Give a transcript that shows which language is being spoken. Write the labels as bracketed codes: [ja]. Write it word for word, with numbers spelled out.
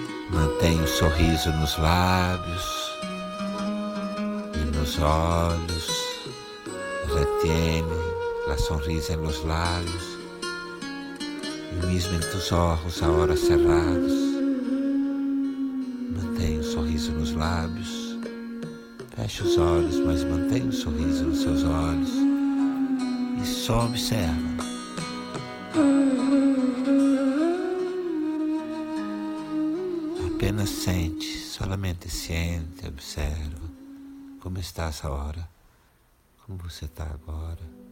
[pt] Mantenha o sorriso nos lábios e nos olhos. [es] Retiene la sonrisa en los labios y mismo en tus ojos ahora cerrados. [pt] Mantenha o sorriso nos lábios. Feche os olhos, mas mantenha o sorriso nos seus olhos e só observa. Apenas sente, solamente sente, observa como está essa hora, como você está agora.